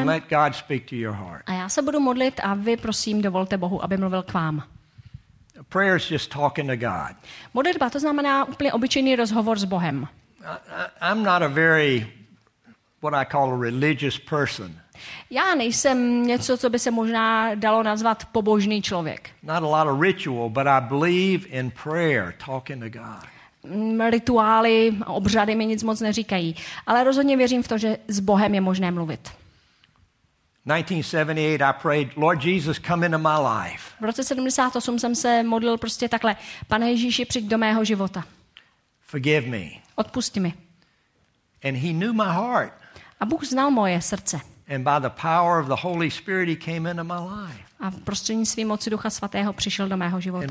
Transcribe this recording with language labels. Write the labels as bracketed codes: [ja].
[en] And let God speak to your heart. [cs] A já se budu modlit a vy prosím dovolte Bohu, aby mluvil k vám. [en] Prayer is just talking to God. [cs] Modlitba to znamená úplně obyčejný rozhovor s Bohem. [en] I'm not a very what I call a religious person. [cs] Já nejsem něco, co by se možná dalo nazvat pobožný člověk. [en] Not a lot of ritual, but I believe in prayer, talking to God. [cs] Rituály, obřady mi nic moc neříkají, ale rozhodně věřím v to, že s Bohem je možné mluvit. [en] 1978 I prayed, Lord Jesus, come into my life. [cs] V roce 78 jsem se modlil prostě takhle: Pane Ježíši, přijď do mého života. [en] Forgive me. [cs] Odpusť mi. [en] And he knew my heart. [cs] A Bůh znal moje srdce. [en] And by the power of the Holy Spirit he came into my life. [cs] A prostřednictvím moci Ducha svatého přišel do mého života.